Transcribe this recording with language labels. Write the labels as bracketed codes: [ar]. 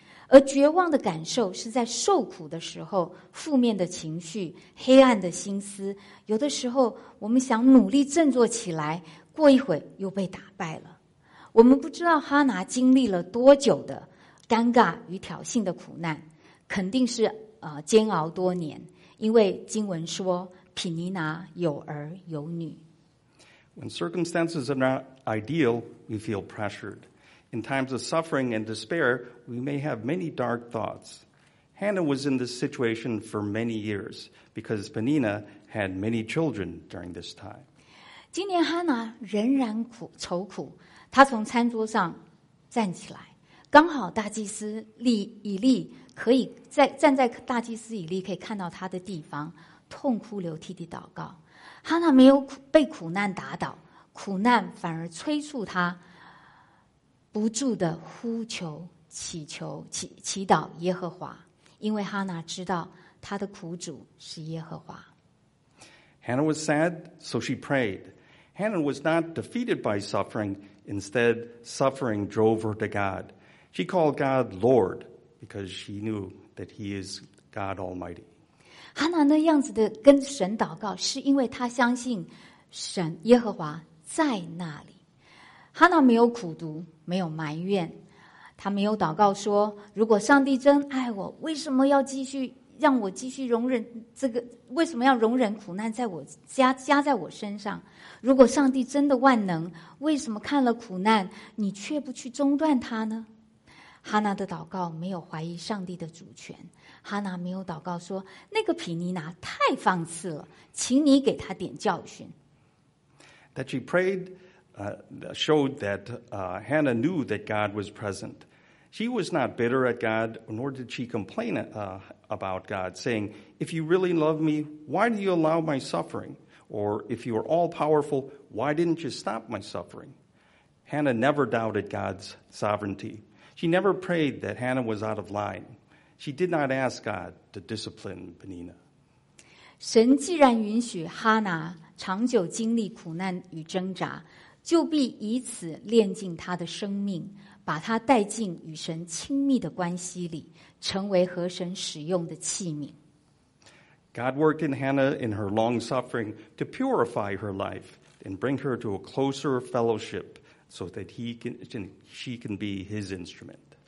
[zh] 而绝望的感受是在受苦的时候，负面的情绪，黑暗的心思，有的时候我们想努力振作起来，过一会又被打败了。我们不知道哈拿经历了多久的尴尬与挑衅的苦难，肯定是煎熬多年，因为经文说品尼拿有儿有女。 [en] When circumstances are not ideal, we feel pressured. In times of suffering and despair, we may have many dark thoughts. Hannah was in this situation for many years because Penina had many children during this time. [zh] 今年 Hannah 仍然愁苦，她从餐桌上站起来，刚好大祭司以利可以在站在大祭司以利可以看到她的地方，痛哭流涕地祷告。 Hannah 没有被苦难打倒，苦难反而催促她。不住的呼求、祈求、祈祷耶和华，因为哈拿知道他的苦主是耶和华。 [en] Hannah was sad, so she prayed. Hannah was not defeated by suffering. Instead, suffering drove her to God. She called God Lord because she knew that He is God Almighty. [zh] 哈拿那样子的跟神祷告，是因为她相信神耶和华在那里。哈拿没有苦读，没有埋怨，他没有祷告说：“如果上帝真爱我，为什么要继续让我继续容忍这个？为什么要容忍苦难在我加在我身上？如果上帝真的万能，为什么看了苦难，你却不去中断它呢？” 哈拿的祷告没有怀疑上帝的主权。哈拿没有祷告说：“那个皮尼拿太放肆了，请你给他点教训。 [en] ”That she prayed. Showed that Hannah knew that God was present. She was not bitter at God, nor did she complain about God, saying, If you really love me, why do you allow my suffering? Or if you are all powerful, why didn't you stop my suffering? Hannah never doubted God's sovereignty. She never prayed that Hannah was out of line. She did not ask God to discipline Penina. [zh] 神既然允许哈拿长久经历苦难与挣扎，就必以此炼尽他的生命，把他带进与神亲密的关系里，成为和神使用的器皿。 [en] God worked in Hannah in her long suffering to purify her life and bring her to a closer fellowship so that she can be his instrument.